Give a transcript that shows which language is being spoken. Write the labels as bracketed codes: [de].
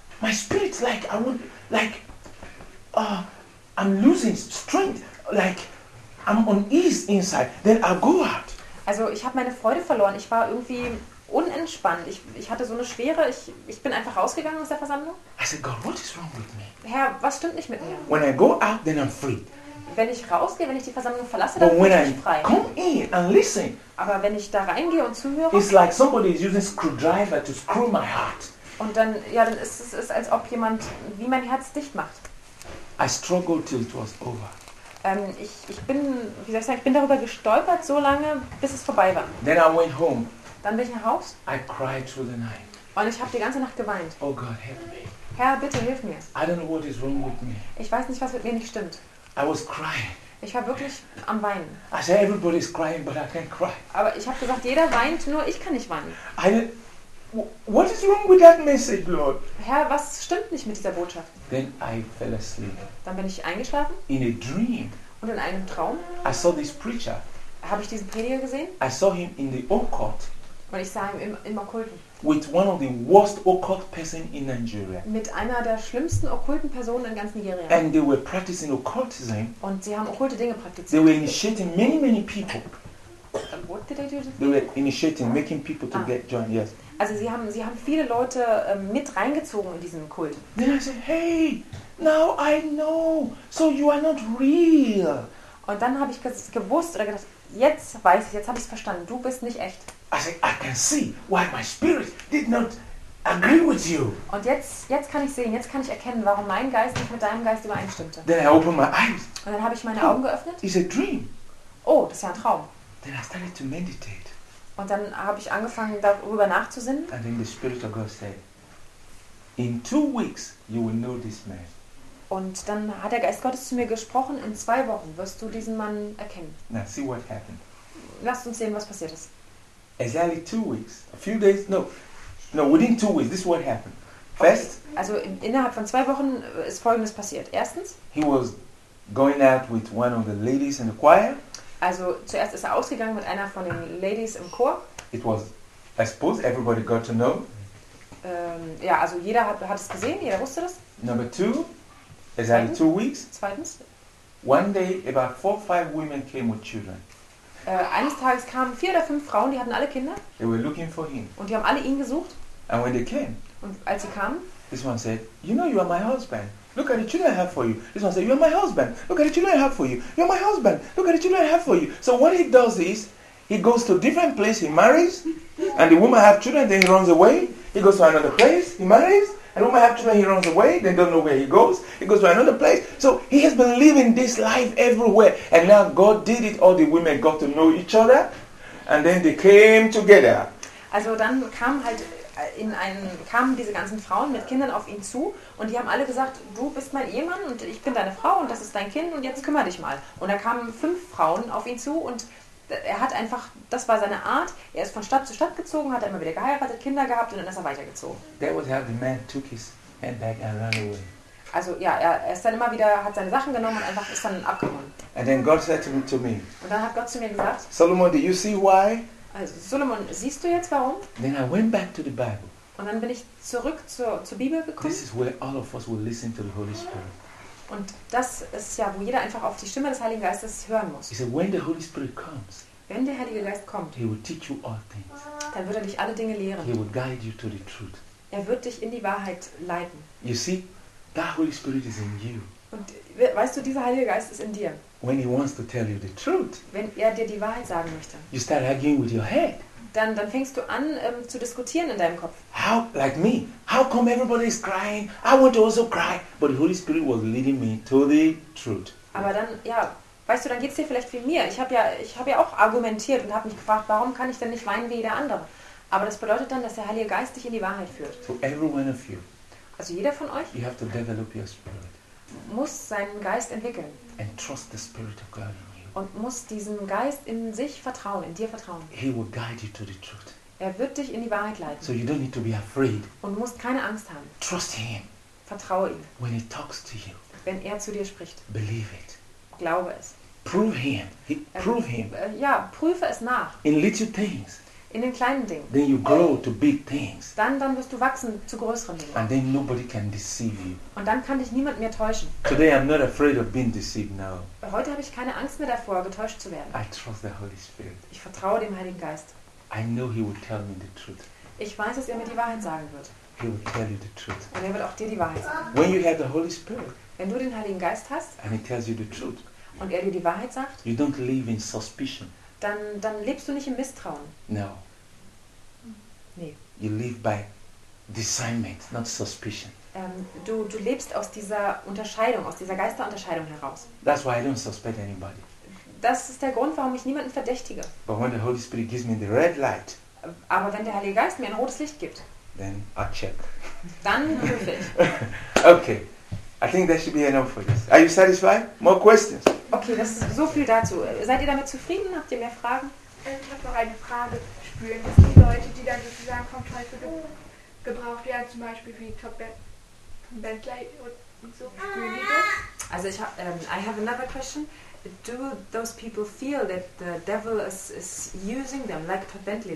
[en] my spirit like I want like I'm losing strength, like I'm uneasy inside. Then I go out. [de] Also ich habe meine Freude verloren. Ich war irgendwie unentspannt. Ich hatte so eine Schwere. Ich bin einfach rausgegangen aus der Versammlung. [en] I said, God, what is wrong with me? [de] Herr, was stimmt nicht mit mir? [en] When I go out, then I'm free. [de] Wenn ich rausgehe, wenn ich die Versammlung verlasse, dann bin ich frei. [en] Come in and listen. [de] Aber wenn ich da reingehe und zuhöre, [en] it's like somebody is using a screwdriver to screw my heart. [de] Und dann, ja, dann ist es, als ob jemand wie mein Herz dicht macht. [en] I struggled till it was over. [de] Ich bin, wie soll ich sagen, ich bin darüber gestolpert so lange, bis es vorbei war. [en] Then I went home. [de] Dann bin ich nach Haus. [en] I cried through the night. [de] Und ich habe die ganze Nacht geweint. [en] Oh God, help me. [de] Herr, bitte hilf mir. [en] I don't know what is wrong with me. [de] Ich weiß nicht, was mit mir nicht stimmt. [en] I was crying. [de] Ich war wirklich am Weinen. [en] I said, everybody is crying, but I can't cry. [de] Aber ich habe gesagt, jeder weint, nur ich kann nicht weinen. [en] What is wrong with that message, Lord? [de] Herr, was stimmt nicht mit dieser Botschaft? [en] Then I fell asleep. [de] Dann bin ich eingeschlafen. [en] In a dream. [de] Und in einem Traum. [en] I saw this preacher. [de] Habe ich diesen Prediger gesehen? [en] I saw him in the occult. [de] Und ich sah ihn im Okkulten. [en] With one of the worst occult person in Nigeria. [de] Mit einer der schlimmsten okkulten Personen in ganz Nigeria. [en] And they were practicing occultism. [de] Und sie haben okkulte Dinge praktiziert. [en] They were initiating many, many people. And what did they do? They were initiating, making people to get joined. Yes. [de] Also sie haben viele Leute mit reingezogen in diesen Kult. [en] Then I said, hey, now I know, so you are not real. [de] Und dann habe ich gewusst oder gedacht, jetzt weiß ich, jetzt habe ich es verstanden, du bist nicht echt. [en] I said, I can see why my spirit did not agree with you. [de] Und jetzt kann ich sehen, jetzt kann ich erkennen, warum mein Geist nicht mit deinem Geist übereinstimmte. [en] Then I opened my eyes. [de] Und dann habe ich meine Augen geöffnet. [en] It's a dream. [de] Oh, das ist ja ein Traum. [en] Then I started to meditate. [de] Und dann habe ich angefangen, darüber nachzusinnen. [en] And then the spirit of God said, in 2 weeks you will know this man. [de] Und dann hat der Geist Gottes zu mir gesprochen, in 2 Wochen wirst du diesen Mann erkennen. [en] Now see what happened. [de] Lasst uns sehen, was passiert ist. [en] Exactly 2 weeks. A few days, no, within 2 weeks, this is what happened. First, okay. [de] Also innerhalb von 2 Wochen ist Folgendes passiert. Erstens, [en] he was going out with one of the ladies in the choir. [de] Also zuerst ist er ausgegangen mit einer von den Ladies im Chor. [en] It was, I suppose, everybody got to know. [de] Ja, also jeder hat es gesehen, jeder wusste das. [en] Number two, exactly 2 weeks. [de] Zweitens, [en] one day about 4 or 5 women came with children. [de] Eines Tages kamen 4 oder 5 Frauen, die hatten alle Kinder. [en] They were looking for him. [de] Und die haben alle ihn gesucht. [en] And when they came, [de] und als sie kamen, [en] this one said, you know you are my husband. Look at the children I have for you. This one said, you are my husband. Look at the children I have for you. You are my husband. Look at the children I have for you. So what he does is, he goes to a different place, he marries, and the woman have children, then he runs away. He goes to another place, he marries, and the woman have children, he runs away, they don't know where he goes. He goes to another place. So he has been living this life everywhere. And now God did it, all the women got to know each other, and then they came together. [de] Also dann kamen diese ganzen Frauen mit Kindern auf ihn zu, und die haben alle gesagt, du bist mein Ehemann und ich bin deine Frau und das ist dein Kind und jetzt kümmere dich mal. Und da kamen 5 Frauen auf ihn zu und er hat einfach, das war seine Art, er ist von Stadt zu Stadt gezogen, hat immer wieder geheiratet, Kinder gehabt und dann ist er weitergezogen. [en] That was how the man took his handbag and ran away. [de] Also ja, er ist dann immer wieder, hat seine Sachen genommen und einfach ist dann abgehauen. [en] And then God said to me, [de] und dann hat Gott zu mir gesagt, [en] Solomon, do you see why? [de] Also Solomon, siehst du jetzt warum? [en] Then I went back to the Bible. [de] Und dann bin ich zurück zur Bibel gekommen. [en] This is where all of us will listen to the Holy Spirit. [de] Und das ist ja, wo jeder einfach auf die Stimme des Heiligen Geistes hören muss. [en] He said, when the Holy Spirit comes, [de] wenn der Heilige Geist kommt, [en] he will teach you all things. [de] Dann wird er dich alle Dinge lehren. [en] He will guide you to the truth. [de] Er wird dich in die Wahrheit leiten. [en] You see, that Holy Spirit is in you. [de] Und weißt du, dieser Heilige Geist ist in dir. [en] When he wants to tell you the truth, [de] wenn er dir die Wahrheit sagen möchte, [en] you start arguing with your head. [de] Dann fängst du an zu diskutieren in deinem Kopf. [en] How, like me, how come everybody is crying? I want to also cry, but the Holy Spirit was leading me to the truth. [de] Aber dann, ja, weißt du, dann geht's dir vielleicht wie mir. Ich habe ja auch argumentiert und habe mich gefragt, warum kann ich denn nicht weinen wie jeder andere? Aber das bedeutet dann, dass der Heilige Geist dich in die Wahrheit führt. [en] So every one of you, [de] also jeder von euch, [en] you have to develop your spirit. [de] Muss seinen Geist entwickeln. [en] And trust the Spirit of God in you. [de] Und muss diesem Geist in sich vertrauen, in dir vertrauen. [en] He will guide you to the truth. [de] Er wird dich in die Wahrheit leiten. [en] So you don't need to be afraid. [de] Und musst keine Angst haben. [en] Trust him. [de] Vertraue ihm. [en] When he talks to you. [de] Wenn er zu dir spricht. [en] Believe it. [de] Glaube es. [en] Prove him. Prove him. [de] Ja, prüfe es nach. [en] In little things. [de] in den kleinen Dingen. [en] Then you grow to big things. [de] Dann wirst du wachsen zu größeren Dingen. [en] And then nobody can deceive you. [de] Und dann kann dich niemand mehr täuschen. [en] Today I'm not afraid of being deceived now. [de] Heute habe ich keine Angst mehr davor, getäuscht zu werden. [en] I trust the Holy Spirit. [de] Ich vertraue dem Heiligen Geist. [en] I know he will tell me the truth. [de] Ich weiß, dass er mir die Wahrheit sagen wird. [en] He will tell you the truth. [de] Und er wird auch dir die Wahrheit sagen. [en] When you have the Holy Spirit, [de] wenn du den Heiligen Geist hast, [en] and he tells you the truth, [de] und er dir die Wahrheit sagt, [en] you don't live in suspicion. [de] Dann lebst du nicht im Misstrauen. [en] No. [de] Nee. [en] You live by discernment, not suspicion. [de] Du lebst aus dieser Unterscheidung, aus dieser Geisterunterscheidung heraus. [en] That's why I don't suspect anybody. [de] Das ist der Grund, warum ich niemanden verdächtige. [en] But when the Holy Spirit gives me the red light, [de] aber wenn der Heilige Geist mir ein rotes Licht gibt, [en] then I check. [de] Dann prüfe ich. [en] Okay. I think that should be enough for this. Are you satisfied? More questions? [de] Okay, das ist so viel dazu. Seid ihr damit zufrieden? Habt ihr mehr Fragen? Ich habe noch eine Frage. Spüren das die Leute, die dann sozusagen vom Teufel gebraucht werden, zum Beispiel wie Bentley und so, spüren die das? Also ich habe, [en] I have another question. Do those people feel that the devil is using them, like Todd Bentley?